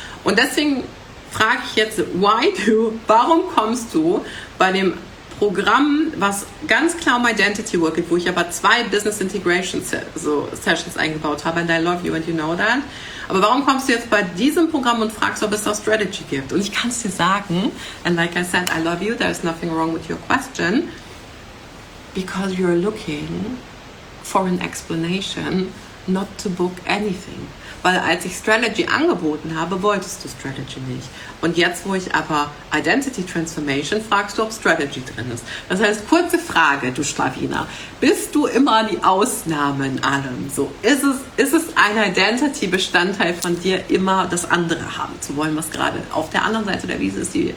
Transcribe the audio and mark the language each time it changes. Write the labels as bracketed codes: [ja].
[de] Und deswegen frage ich jetzt, warum kommst du bei dem Programm, was ganz klar um Identity Work geht, wo ich aber 2 Business Integration Sessions eingebaut habe, [en] and I love you and you know that. [de] Aber warum kommst du jetzt bei diesem Programm und fragst, ob es da Strategy gibt? Und ich kann es dir sagen, [en] and like I said, I love you, there is nothing wrong with your question, because you're looking for an explanation not to book anything. [de] Weil als ich Strategy angeboten habe, wolltest du Strategy nicht. Und jetzt, wo ich aber Identity Transformation, fragst du, ob Strategy drin ist. Das heißt, kurze Frage, du Schlawiner. Bist du immer die Ausnahme in allem? So, ist es ein Identity-Bestandteil von dir, immer das andere haben zu wollen, was gerade auf der anderen Seite der Wiese ist?